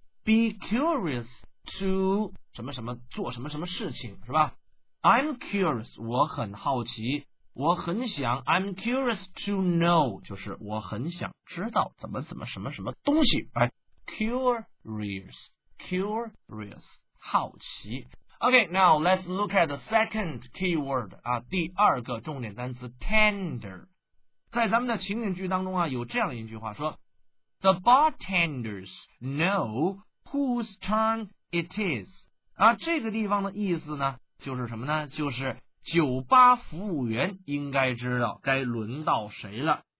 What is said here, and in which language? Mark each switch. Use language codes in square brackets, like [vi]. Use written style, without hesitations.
[en] Be curious to [zh] 什么什么，做什么什么事情，是吧？ [en] I'm curious, [zh] 我很好奇，我很想。 [en] I'm curious to know, [zh] 就是我很想知道怎么怎么什么什么东西。哎， curious, curious, 好奇。 [en] OK, now let's look at the second keyword, 啊， [zh] 第二个重点单词 [en] tender。 [zh] 在咱们的情景剧当中啊，有这样一句话说， [en] The bartenders know whose turn it is. [zh] 啊，这个地方的意思呢，就是什么呢？就是酒吧服务员应该知道该轮到谁了。